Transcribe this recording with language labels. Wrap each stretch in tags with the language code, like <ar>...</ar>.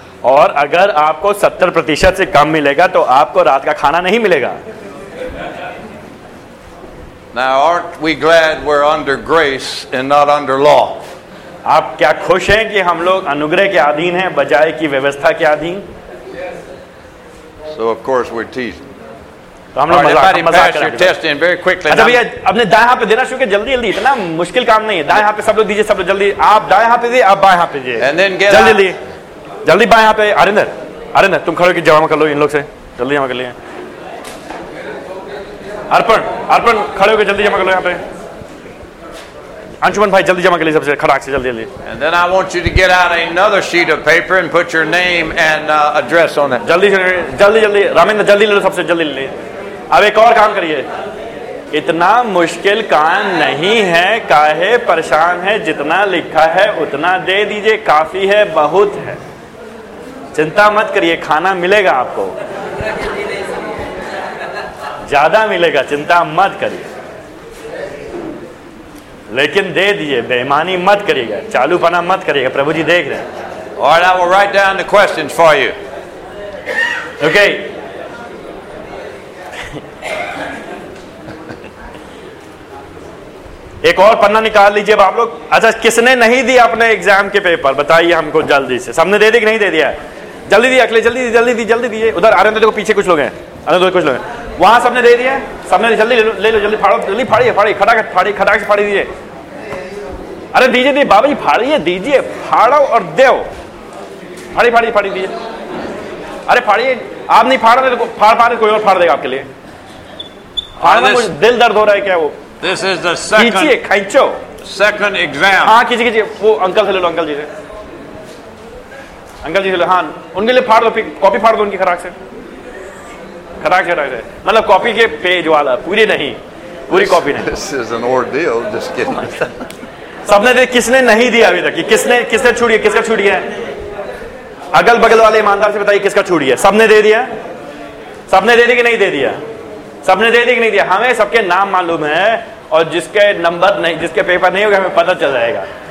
<hi>और अगर आपको 70% से कम मिलेगा तो आपको रात का खाना नहीं मिलेगा.</hi> <en>Now, aren't we glad we're under grace and not under law?</en> <hi>आप क्या खुश हैं कि हम लोग अनुग्रह के अधीन हैं बजाय कि व्यवस्था के अधीन?</hi> <en>So of course we're teasing.</en> <hi>तो हम लोग मजाक कर रहे हैं. अच्छा भैया, अपने दाएं हाथ पे देना शुरू करें जल्दी जल्दी, इतना मुश्किल काम नहीं है. दाएं हाथ पे सब लोग दीजिए, सब लोग जल्दी. आप दाएं हाथ पे दीजिए, आप बाएं हाथ पे दीजिए.</hi> <en>And then get</en> <hi>जल्दी जल्दी जल्दी बाएं हाथ पे. अरिंदर, अरिंदर तुम खड़े हो, जमा कर लो इन लोग से, जल्दी जमा कर लिए. अर्पण, अर्पण खड़े होकर जल्दी जमा कर लो यहाँ पे. अंशुमन भाई जल्दी जमा कर लीजिए सबसे खड़ा से, जल्दी जल्दी.</hi> <en>And then I want you to get out another sheet of paper and put your name and address on it.</en> <hi>जल्दी जल्दी जल्दी रामेंद्र जल्दी ले लो सबसे जल्दी ले. अब एक और काम करिए, इतना मुश्किल काम नहीं है, काहे परेशान है, जितना लिखा है उतना दे दीजिए, काफी है, बहुत है, चिंता मत करिए, खाना मिलेगा आपको, ज्यादा मिलेगा, चिंता मत करिए, लेकिन दे दीजिए, बेईमानी मत करिएगा, चालूपना मत करिएगा, प्रभु जी देख रहे हैं.</hi> <en>All right, I will write down the questions for you. Okay.</en> <hi>एक और पन्ना निकाल लीजिए आप लोग. अच्छा, किसने नहीं दिया अपने एग्जाम के पेपर, बताइए हमको जल्दी से. सबने दे दी कि नहीं दे दिया? जल्दी दी अखिलेश, जल्दी जल्दी दी, जल्दी दीजिए. उधर आ रहे थे, देखो पीछे कुछ लोग हैं, कुछ लोग वहां, सबने दे दिया, सबने जल्दी ले लो, जल्दी फाड़ो, जल्दी फाड़िए, फाड़िए, खटाखट फाड़िए, खटाखट फाड़ी दीजिए. अरे दीजिए दीजिए बाबा जी, फाड़िए दीजिए, फाड़ो और देव, फाड़ी फाड़ी फाड़ी दीजिए. अरे फाड़िए, आप नहीं फाड़ रहे तो फाड़ पा रहे, कोई और फाड़ देगा आपके लिए. फाड़ना कुछ दिल दर्द हो रहा है क्या? वो</hi> <en>this is the second,</en> <hi>कीजिए खींचो,</hi> <en>Second exam.</en> <hi>हाँ कीजिए कीजिए, वो अंकल से ले लो, अंकल जी से, अंकल जी से लो. हाँ उनके लिए फाड़ दो, कॉपी फाड़ दो उनकी, खराक से खराक से, मतलब कॉपी के पेज वाला, पूरी नहीं, पूरी कॉपी नहीं.</hi> <en>This is an ordeal, just kidding.</en> <hi>सबने दे, किसने नहीं दिया अभी तक, किसने किसने छूटी है, किसका छूटी है? अगल बगल वाले ईमानदार से बताइए किसका छूटी है. सबने दे दिया, सबने दे दिया कि नहीं दे दिया, सबने दे दिया कि नहीं दिया? हमें सबके नाम मालूम है और जिसके नंबर नहीं, जिसके पेपर नहीं होगा हमें पता चल जाएगा.</hi>